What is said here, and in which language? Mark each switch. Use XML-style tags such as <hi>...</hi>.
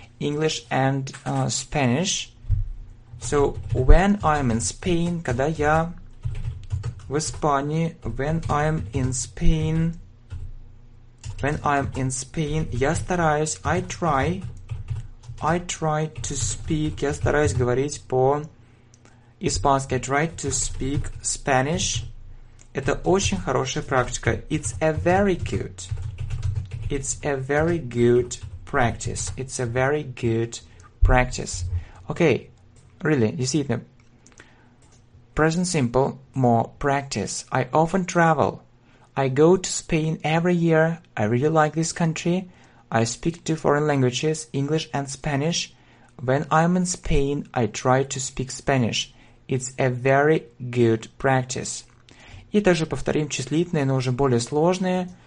<en>English and Spanish. So, when I'm in Spain,</en> <ru>когда я в Испании,</ru> <en>when I'm in Spain, when I'm in Spain,</en> <ru>я стараюсь,</ru> <en>I try to speak,</en> <ru>я стараюсь говорить по-испански,</ru> <en>I try to speak Spanish.</en> <ru>Это очень хорошая практика.</ru> <en>It's a very good, it's a very good practice, it's a very good practice. Okay, really,</en> <ru>действительно.</ru> <en>Present simple, more practice. I often travel. I go to Spain every year. I really like this country. I speak two foreign languages, English and Spanish. When I'm in Spain, I try to speak Spanish. It's a very good practice.</en> <ru>И также повторим числительные, но уже более сложные.</ru>